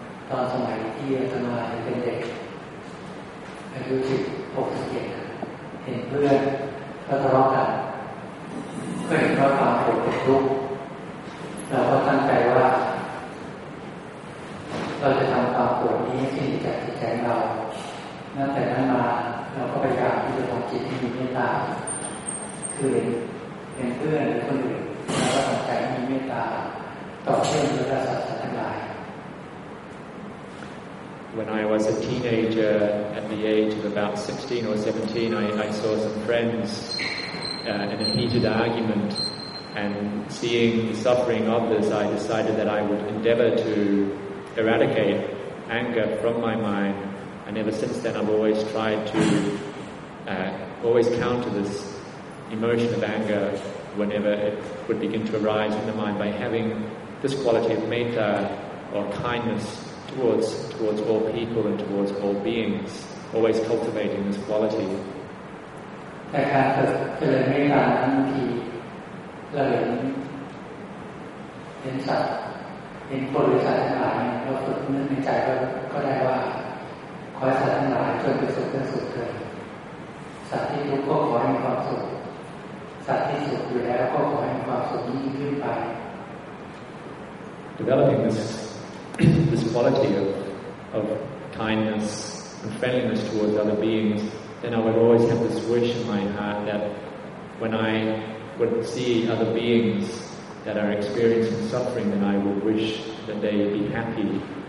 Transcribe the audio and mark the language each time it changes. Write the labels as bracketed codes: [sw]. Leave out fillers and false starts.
[th] ตอนสมัยที่อาตมาเป็นเด็กอายุ16-17เห็นเพื่อนก็ทะเลาะกันก็เห็นว่าความโกรธเป็นทุกข์เราก็ตั้งใจว่าเราจะทำความโกรธนี้ให้สิ้นจากจิตใจเรานั่นแต่นั้นมา เราก็พยายามที่จะทำจิตให้มีเมตตาคือเห็นเพื่อนหรือคนอื่นแล้วก็ทำใจมีเมตตาต่อเพื่อนหรือสัตว์ทั้งหลาย [en] When I was a teenager at the age of about 16 or 17 I saw some friendsin a heated argument and seeing the suffering of this I decided that I would endeavor to eradicate anger from my mind and ever since then I've always tried to always counter this emotion of anger whenever it would begin to arise in the mind by having this quality of metta or kindness towards all people and towards all beings always cultivating this quality [th] แต่การเกิดเจริญเมตตานั้นบางทีเราเห็นสัตว์เห็นคนหรือสัตว์ทั้งหลายเราฝึกนึกในใจก็ได้ว่าขอให้สัตว์ทั้งหลายจงประสบความสุขเถิดสัตว์ที่ทุกข์ก็ขอให้มีความสุขสัตว์ที่สุขอยู่แล้วก็ขอให้มีความสุขยิ่งขึ้นไป [en] Developing this quality of kindness and friendliness towards other beingsThen I would always have this wish in my heart that when I would see other beings that are experiencing suffering, then I would wish that they be happy.